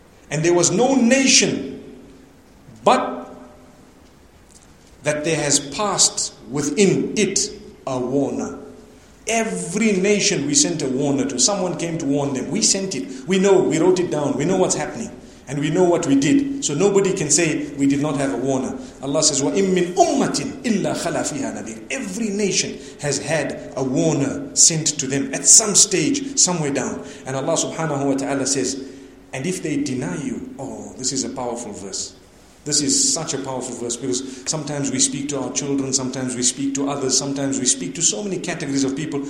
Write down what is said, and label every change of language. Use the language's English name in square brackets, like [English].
[English] And there was no nation but that there has passed within it a warner. Every nation we sent a warner to. Someone came to warn them. We sent it. We know. We wrote it down. We know what's happening. And we know what we did. So nobody can say we did not have a warner. Allah says, [Arabic] وَإِمْ مِنْ أُمَّةٍ إِلَّا خَلَى فِيهَا نَذِيرٌ. [English] Every nation has had a warner sent to them at some stage, somewhere down. And Allah subhanahu wa ta'ala says, and if they deny you, oh, this is a powerful verse. This is such a powerful verse because sometimes we speak to our children, sometimes we speak to others, sometimes we speak to so many categories of people.